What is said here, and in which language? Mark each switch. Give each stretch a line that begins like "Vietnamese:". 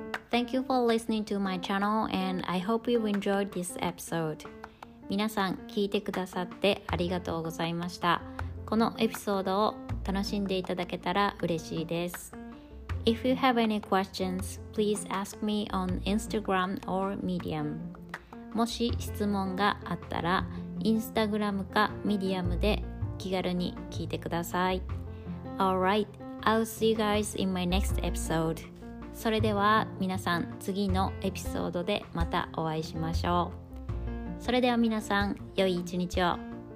English: Thank you for listening to my channel and I hope you enjoyed this episode.
Japanese: 皆さん聞いてくださってありがとうございました。このエピソードを楽しんでいただけたら嬉しいです。
English: If you have any questions, please ask me on Instagram or Medium.
Japanese: もし質問があったら、Instagram か Medium で気軽に聞いてください。
English: Alright, I'll see you guys in my next episode.
Japanese: それでは皆さん、次のエピソードでまたお会いしましょう。それでは皆さん、良い一日を。